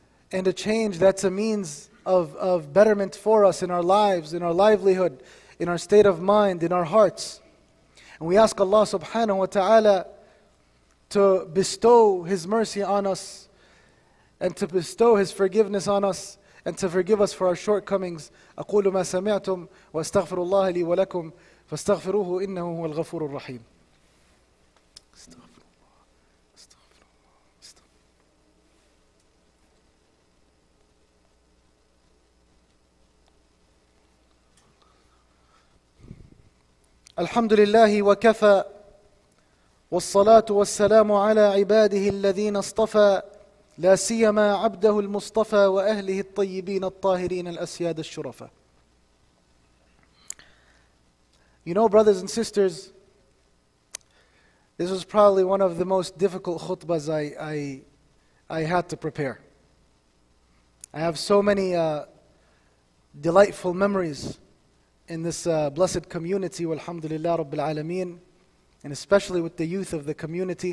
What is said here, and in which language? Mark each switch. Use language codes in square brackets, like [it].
[en] And a change that's a means of betterment for us in our lives, in our livelihood, in our state of mind, in our hearts. And we ask Allah subhanahu wa ta'ala to bestow His mercy on us and to bestow His forgiveness on us and to forgive us for our shortcomings. [ar] أقول ما سمعتم وأستغفر الله لي ولكم فاستغفروه إنه هو الغفور الرحيم. الحمد لله وكفى والصلاة والسلام على عباده الذين اصطفى لا سيما عبده المصطفى وأهله الطيبين الطاهرين الأسياد الشرفة. [en] You know, brothers and sisters, this was probably one of the most difficult khutbas I had to prepare. I have so many delightful memories in this blessed community, walhamdulillah rabbil alameen, and especially with the youth of the community.